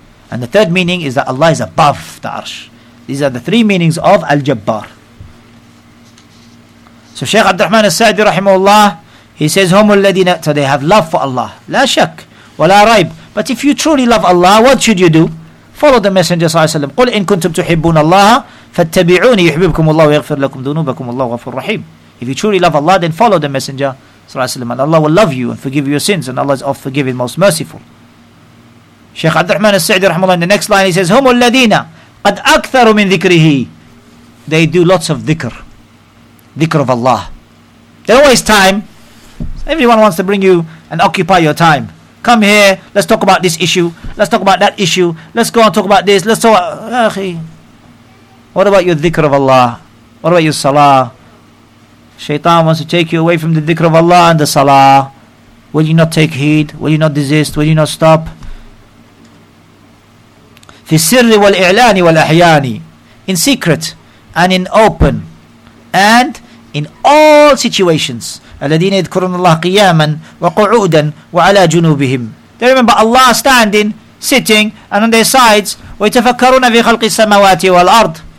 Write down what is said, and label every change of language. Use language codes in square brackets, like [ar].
[en] And the third meaning is that Allah is above the arsh. These are the three meanings of Al-Jabbar. So Shaykh Abdurrahman al-Sa'di rahimahullah, he says, "Humul ladina," so they have love for Allah. [ar] La shak, wa la raib. [en] But if you truly love Allah, what should you do? Follow the Messenger sallallahu alayhi wa sallam. [ar] قُلْ إِن كُنْتُمْ تُحِبُّونَ اللَّهَ فَاتَّبِعُونِ يُحْبِبْكُمُ اللَّهُ وَيَغْفِرْ لَكُمْ ذُنُوبَكُمْ وَاللَّهُ غَفُورٌ رَحِيمٌ. [en] If you truly love Allah, then follow the Messenger sallallahu alayhi wa sallam. And Allah will love you and forgive your sins. And Allah is of forgiving, most merciful. Shaykh Abdurrahman al-Sa'di rahimahullah, in the next line, he says, "Humul ladina [ar] قَدْ أَكْثَرُ مِنْ ذِكْرِهِ." [en] They do lots of dhikr. Dhikr of Allah. They don't waste time. Everyone wants to bring you and occupy your time. Come here, let's talk about this issue. Let's talk about that issue. Let's go and talk about this. Let's talk about... What about your dhikr of Allah? What about your salah? Shaitan wants to take you away from the dhikr of Allah and the salah. Will you not take heed? Will you not desist? Will you not stop? [ar] في السر والإعلان والأحيان. [en] In secret and in open and in all situations. [ar] الَّذِينَ يَذْكُرُونَ اللَّهَ قِيَامًا وَقُعُودًا وَعَلَىٰ جُنُوبِهِمْ. [en] They remember Allah standing, sitting, and on their sides. [ar] وَيَتَفَكَّرُونَ فِي خَلْقِ السَّمَوَاتِ وَالْأَرْضِ.